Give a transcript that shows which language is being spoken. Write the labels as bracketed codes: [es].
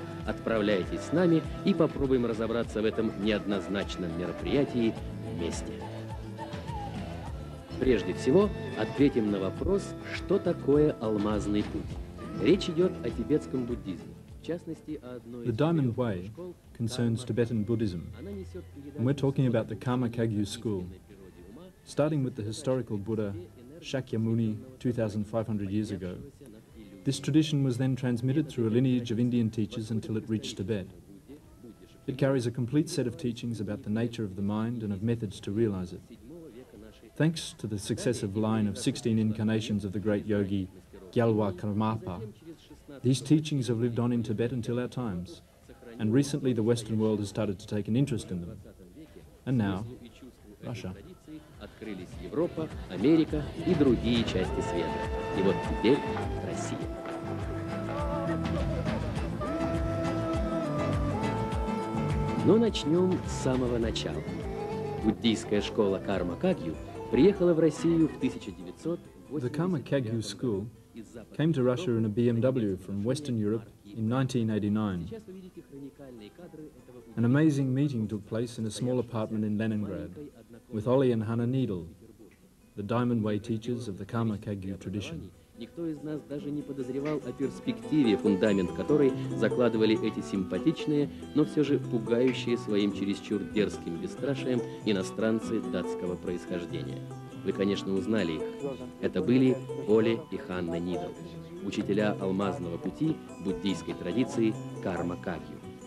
[ru] Отправляйтесь с нами и попробуем разобраться в этом неоднозначном мероприятии вместе. Прежде всего, ответим на вопрос, что такое алмазный путь. Речь идет о тибетском буддизме, в частности, о одной из... [en] The Diamond Way concerns Tibetan Buddhism. And we're talking about the Karma Kagyu school. Starting with the historical Buddha, Shakyamuni, 2,500 years ago, this tradition was then transmitted through a lineage of Indian teachers until it reached Tibet. It carries a complete set of teachings about the nature of the mind and of methods to realize it. Thanks to the successive line of 16 incarnations of the great yogi Gyalwa Karmapa, these teachings have lived on in Tibet until our times, and recently the Western world has started to take an interest in them. And now, Russia. [ru] Открылись Европа, Америка и другие части света. И вот теперь Россия. Но начнем с самого начала. Буддийская школа Карма Кагью приехала в Россию в 1980. [en] The Karma Kagyu school came to Russia in a BMW from Western Europe in 1989. An amazing meeting took place in a small apartment in Leningrad with Ole and Hannah Nydahl, the Diamond Way teachers of the Karma Kagyu tradition. [ru] Никто из нас даже не подозревал о перспективе, фундамент которой закладывали эти симпатичные, но все же пугающие своим чересчур дерзким бесстрашием иностранцы датского происхождения. Вы, конечно, узнали их. Это были Оле и Ханна Нидал, учителя алмазного пути буддийской традиции Карма Кагью.